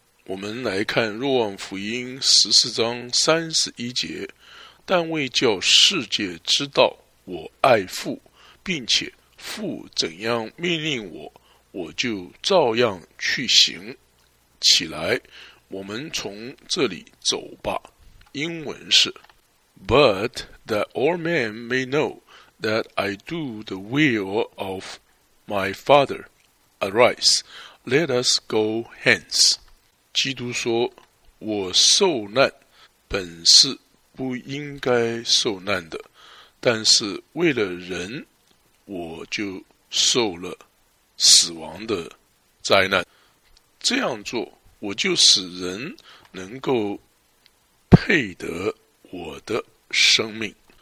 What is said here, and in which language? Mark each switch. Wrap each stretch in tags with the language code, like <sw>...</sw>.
<zh>我们来看若望福音14章31节，但为叫世界知道我爱父，并且父怎样命令我，我就照样去行。起来，我们从这里走吧。</zh> <en>英文是 But that all men may know that I do the will of my Father, arise, let us go hence。</en> <zh>基督说，我受难本是不应该受难的，但是为了人，我就受了死亡的灾难。这样做，我就使人能够配得我的生命。</zh>